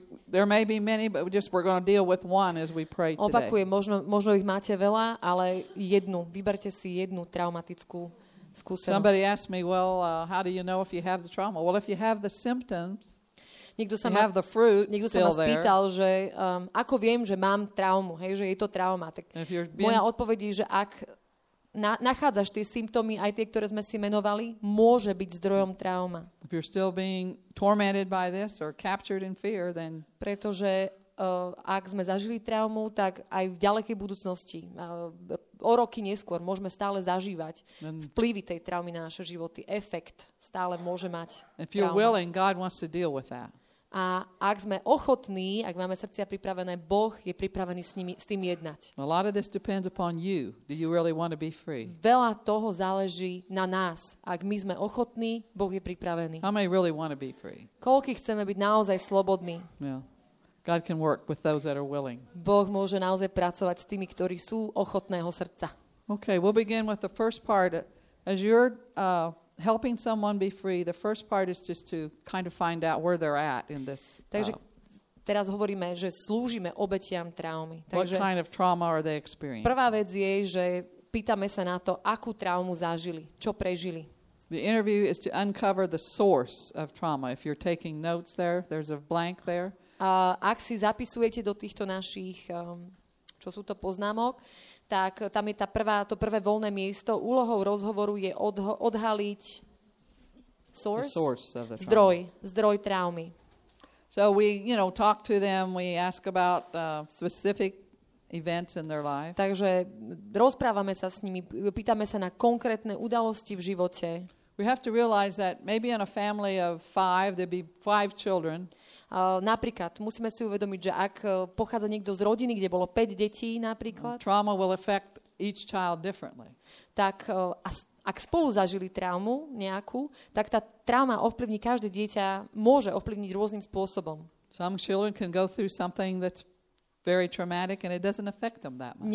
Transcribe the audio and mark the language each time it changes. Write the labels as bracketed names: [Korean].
[English] There may be many, but we're going to deal with one as we pray today. [Slovak] Opakujem, možno ich máte veľa, ale jednu. Vyberte si jednu traumatickú skúsenosť. [English] Somebody asked me, well, how do you know if you have the trauma? Well, if you have the symptoms, [Slovak] Niekto sa ma spýtal, že ako viem, že mám traumu, hej, že je to trauma. Tak moja odpoveď je, že ak nachádzaš tie symptómy, aj tie, ktoré sme si menovali, môže byť zdrojom trauma. [English] If you're still being tormented by this or captured in fear, then [Slovak] pretože ak sme zažili traumu, tak aj v ďalekej budúcnosti, o roky neskôr, môžeme stále zažívať vplyvy tej traumy na naše životy. Efekt stále môže mať traumu. [English] If you're willing, God wants to deal with that. [Slovak] A ak sme ochotní, ak máme srdcia pripravené, Boh je pripravený s tým jednať. [English] A lot of this depends upon you. Do you really want to be free? [Slovak] Veľa toho záleží na nás. Ak my sme ochotní, Boh je pripravený. [English] How many really want to be free? [Slovak] Koľko chceme byť naozaj slobodní? [English] Yeah. God can work with those that are willing. [Slovak] Boh môže naozaj pracovať s tými, ktorí sú ochotného srdca. [English] Okay, we'll begin with the first part. As you're helping someone be free, the first part is just to kind of find out where they're at in this. [Slovak] Takže teraz hovoríme, že slúžime obetiam traumy. Takže [English] what kind of trauma are they experiencing? [Slovak] Prvá vec je, že pýtame sa na to, akú traumu zažili, čo prežili. [English] The interview is to uncover the source of trauma. If you're taking notes there, there's a blank there. [Slovak] Ak si zapisujete do týchto našich čo sú to poznámok, tak tam je to prvé voľné miesto. Úlohou rozhovoru je odhaliť [English] source of the [Slovak] zdroj traumy. [English] So we, you know, talk to them, we ask about specific events in their life. [Slovak] Takže rozprávame sa s nimi, pýtame sa na konkrétne udalosti v živote. [English] We have to realize that maybe in a family of 5 there'd be 5 children. [Slovak] Napríklad musíme si uvedomiť, že ak pochádza niekto z rodiny, kde bolo 5 detí napríklad, [English] trauma will affect each child differently. [Slovak] Tak ak spolu zažili traumu nejakú, tak tá trauma ovplyvní každé dieťa, môže ovplyvniť rôznym spôsobom. [English] Some children can go through something that's very traumatic and it doesn't affect them that much.